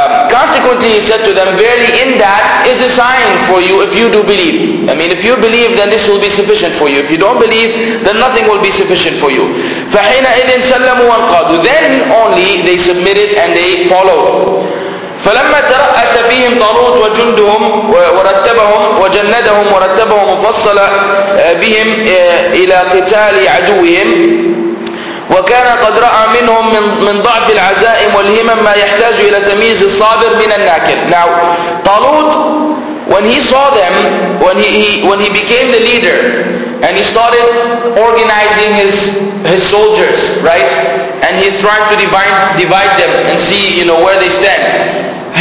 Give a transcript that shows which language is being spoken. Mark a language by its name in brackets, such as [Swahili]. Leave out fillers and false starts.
[English] Consequently, he said to them, verily in that is a sign for you if you do believe. I mean, if you believe, then this will be sufficient for you. If you don't believe, then nothing will be sufficient for you. [Arabic] فَحِينَ إِذٍ سَلَّمُوا وَانْقَادُوا. [English] Then only they submitted and they followed. [Arabic] فَلَمَّا تَرَأَسَ بِهِمْ طَالُوتُ وَجُنْدُهُمْ وَرَتَّبَهُمْ وَجَنَّدَهُمْ وَرَتَّبَهُمْ وَفَصَّلَ بِهِمْ إِلَى قِتَالِ عَدُوِّهِمْ وكان قد رأى منهم من ضعف العزائم والهمم ما يحتاج إلى تمييز الصابر من الناكل. [English] Now, Talut, when he saw them, when he became the leader, and he started organizing his soldiers, right? And he's trying to divide them and see, you know, where they stand.